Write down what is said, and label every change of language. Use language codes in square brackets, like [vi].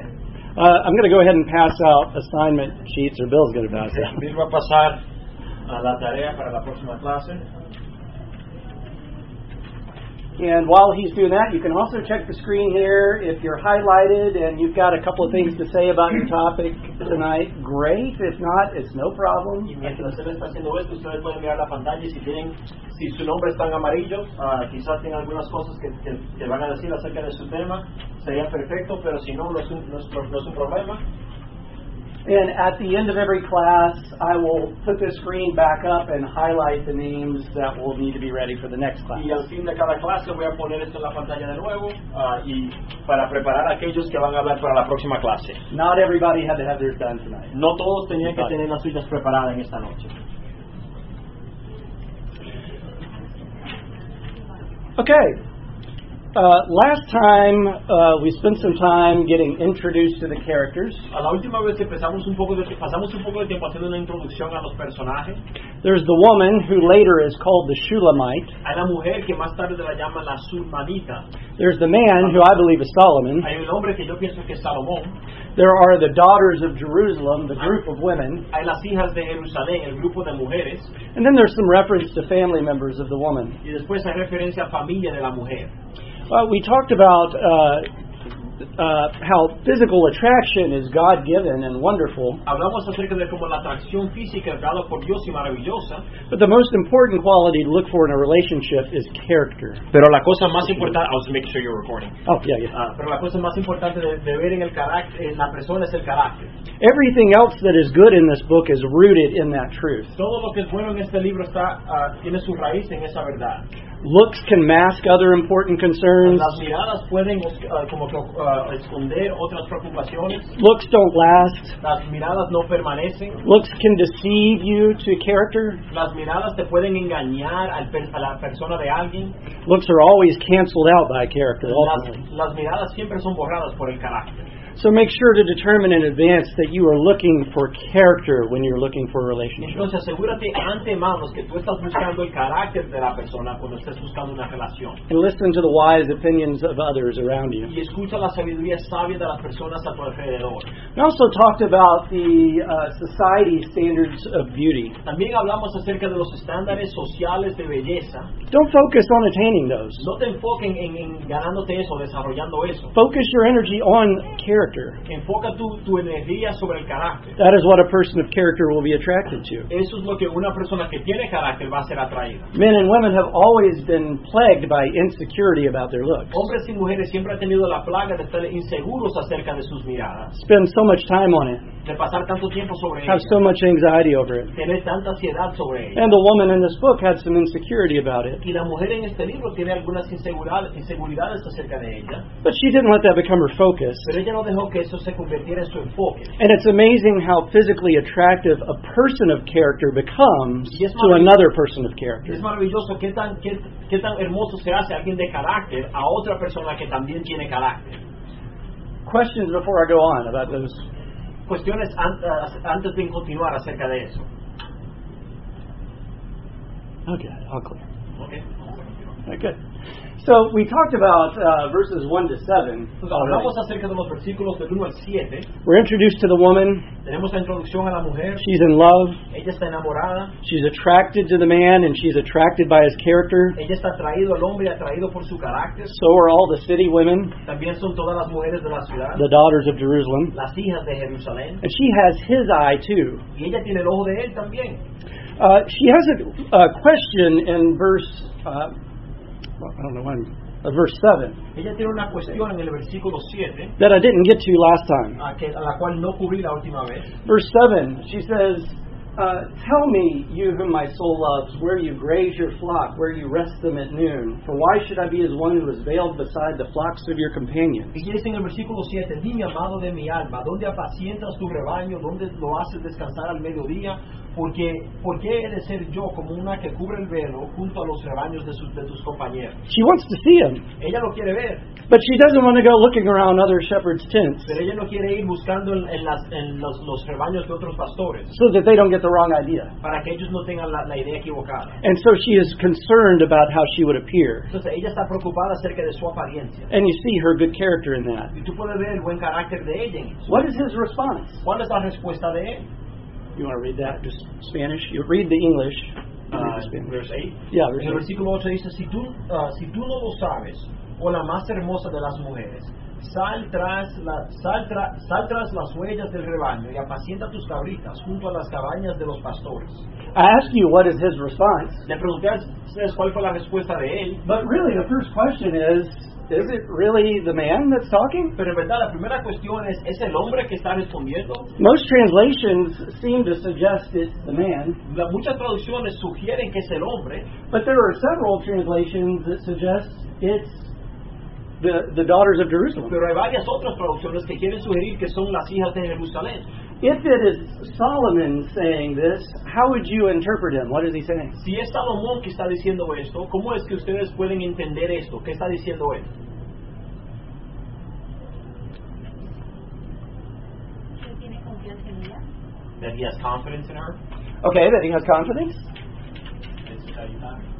[en] I'm going to go ahead and pass out assignment sheets, or Bill's going to pass out. [es] Bill va a pasar la tarea para la próxima clase. [en] And while he's doing that, you can also check the screen here. If you're highlighted and you've got a couple of things to say about your topic tonight, great. If not, it's no problem. [es] Y mientras él está haciendo esto, ustedes pueden mirar la pantalla y si tienen, si su nombre está en amarillo, quizás tienen algunas cosas que van a decir acerca de su tema. Sería perfecto, pero si no, no es un problema. [en] And at the end of every class, I will put the screen back up and highlight the names that will need to be ready for the next class. [es] Y al fin de cada clase voy a poner esto en la pantalla de nuevo, y para preparar aquellos que van a hablar para la próxima clase. [en] Not everybody had to have theirs done tonight. [es] No todos tenían que tener las suyas preparadas en esta noche. [en] Okay. Last time we spent some time getting introduced to the characters. [es] A la última vez pasamos un poco de tiempo haciendo una introducción a los personajes. [en] There's the woman who later is called the Shulamite. [es] Hay la mujer que más tarde la llaman la Shulamita. [en] There's the man who I believe is Solomon. [es] Hay el hombre que yo pienso que es Salomón. [en] There are the daughters of Jerusalem, the group of women. [es] Hay las hijas de Jerusalén, el grupo de mujeres. [en] And then there's some reference to family members of the woman. [es] Y después hay referencia a familia de la mujer. [en] We talked about how physical attraction is God-given and wonderful. [es] Hablamos acerca de cómo la atracción física es dada por Dios y maravillosa. [en] But the most important quality to look for in a relationship is character. [es] Pero la cosa más importante, [en] I'll just make sure you're recording. Oh, yeah, yeah. [es] Pero la cosa más importante de ver en el carácter, en la persona es el carácter. [en] Everything else that is good in this book is rooted in that truth. [es] Todo lo que es bueno en este libro está tiene su raíz en esa verdad. [en] Looks can mask other important concerns. [es] Las miradas pueden como que esconder otras preocupaciones. [en] Looks don't last. [es] Las miradas no permanecen. [en] Looks can deceive you to character. [es] Las miradas te pueden engañar a la persona de alguien. [en] Looks are always canceled out by character. [es] Las miradas siempre son borradas por el carácter. [en] So make sure to determine in advance that you are looking for character when you're looking for a relationship. [es] Entonces asegúrate antemano que tú estás buscando el carácter de la persona cuando estés buscando una relación. [en] And listen to the wise opinions of others around you. [es] Y escucha la sabiduría sabia de las personas a tu alrededor. [en] We also talked about the society standards of beauty. [es] También hablamos acerca de los estándares sociales de belleza. [en] Don't focus on attaining those. [es] No te enfoques en ganándote eso, desarrollando eso. [en] Focus your energy on character. [es] Enfoca tu energía sobre el carácter. [en] That is what a person of character will be attracted to. [es] Eso es lo que una persona que tiene carácter va a ser atraída. [en] Men and women have always been plagued by insecurity about their looks. [es] Hombres y mujeres siempre han tenido la plaga de estar inseguros acerca de sus miradas. [en] Spend so much time on it. [es] De pasar tanto tiempo sobre ella. [en] Have so much anxiety over it. [es] Tener tanta ansiedad sobre ella. [en] And the woman in this book had some insecurity about it. [es] Y la mujer en este libro tiene algunas inseguridades acerca de ella. [en] But she didn't let that become her focus. [es] Pero ella no dejó que eso se convirtiera en su enfoque. [en] And it's amazing how physically attractive a person of character becomes to another person of character. [es] Es maravilloso qué tan hermoso se hace alguien de carácter a otra persona que también tiene carácter. [en] Questions before I go on about those. [es] Cuestiones antes de continuar acerca de eso. [en] Okay, all clear. Okay. Good. So we talked about verses 1 to 7. [es] Hablamos acerca de los versículos del 1 al 7. [en] We're introduced to the woman. [es] Tenemos la introducción a la mujer. [en] She's in love. [es] Ella está enamorada. [en] She's attracted to the man and she's attracted by his character. [es] Ella está atraído al hombre y atraído por su carácter. [en] So are all the city women. [es] También son todas las mujeres de la ciudad. [en] The daughters of Jerusalem. [es] Las hijas de Jerusalén. [en] And she has his eye too. [es] Y ella tiene el ojo de él también. [en] She has a question in verse... verse 7. [es] Ella tiene una cuestión en el versículo 7. [en] That I didn't get to last time. [es] A la cual no cubrí la última vez. [en] Verse 7, she says, tell me, you whom my soul loves, where you graze your flock, where you rest them at noon. For why should I be as one who is veiled beside the flocks of your companions? [es] Y dice en el versículo 7, dime, amado de mi alma, ¿dónde apacientas tu rebaño? ¿Dónde lo haces descansar al mediodía? porque he de ser yo como una que cubre el velo junto a los rebaños de tus compañeros? [en] She wants to see him. [es] Ella lo quiere ver. [en] But she doesn't want to go looking around other shepherds' tents. [es] Pero ella no quiere ir buscando en los rebaños de otros pastores. [en] So that they don't get the wrong idea. [es] Para que ellos no tengan la idea equivocada. [en] And so she is concerned about how she would appear. [es] Entonces ella está preocupada acerca de su apariencia. [en] And you see her good character in that. [es] Y tú puedes ver el buen carácter de ella. [en] What is his response? [es] ¿Cuál es la respuesta de él? [en] You want to read that? Just Spanish? You read the English. Verse 8. [es] En el versículo 8 dice, si tú no lo sabes, o la más hermosa de las mujeres, sal tras las huellas del rebaño y apacienta tus cabritas junto a las cabañas de los pastores. [en] I ask you, what is his response? [es] Le pregunté cuál fue la respuesta de él. [en] But really, the first question is, is it really the man that's talking? [es] Pero en verdad, la primera cuestión es el hombre que está respondiendo? [en] Most translations seem to suggest it's the man. [es] Muchas traducciones sugieren que es el hombre. [en] But there are several translations that suggest it's the daughters of Jerusalem. [es] Pero hay varias otras traducciones que quieren sugerir que son las hijas de Jerusalén. [en] If it is Solomon saying this, how would you interpret him? What is he saying? [es] Si es Salomón que está diciendo esto, ¿cómo es que ustedes pueden entender esto? ¿Qué está diciendo él? [en] That he has confidence in her. Okay, that he has confidence. This is how you talk.